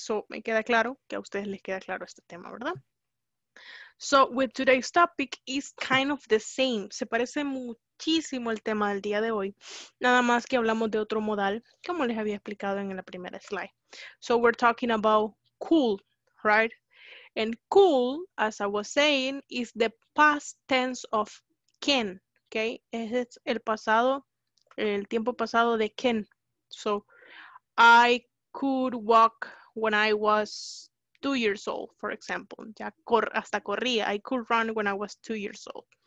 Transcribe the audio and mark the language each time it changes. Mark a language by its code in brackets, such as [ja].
[es] So, me queda claro que a ustedes les queda claro este tema, ¿verdad? [en] So, with today's topic is kind of the same. [es] Se parece muchísimo el tema del día de hoy. Nada más que hablamos de otro modal, como les había explicado en la primera slide. [en] So, we're talking about cool, right? And cool, as I was saying, is the past tense of can, okay? [es] Es el pasado, el tiempo pasado de can. [en] So, I could walk when I was 2 years old, for example. [es] Ya hasta corría. [en] I could run when I was 2 years old.